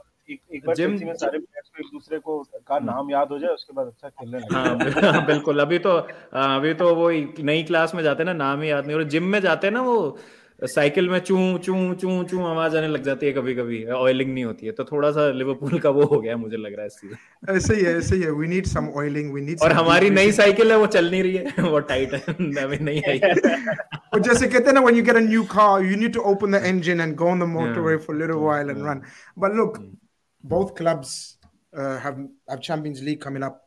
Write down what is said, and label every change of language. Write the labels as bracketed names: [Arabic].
[Hindi] एक बार जिम में सारे प्लेयर्स को एक दूसरे को का नाम याद हो जाए, उसके बाद अच्छा खेलने लगे. हाँ बिल्कुल, अभी तो वो नई क्लास में जाते हैं ना, नाम ही याद नहीं. और जिम में जाते हैं ना, वो साइकिल में चू चू चू चू आवाज आने लग जाती है कभी कभी, ऑयलिंग नहीं होती है. तो थोड़ा सा लिवरपूल का वो हो गया मुझे लग रहा है इसलिए. ऐसे ही है, [English] we need some oiling, we need [Hindi] और हमारी नई साइकिल है वो चल नहीं रही है, वो टाइट है, अभी नहीं आई. और जैसे कहते ना, [English] when you get a new car, you need to open the engine and go on the motorway for a little while and run. But look, both clubs have Champions League coming up.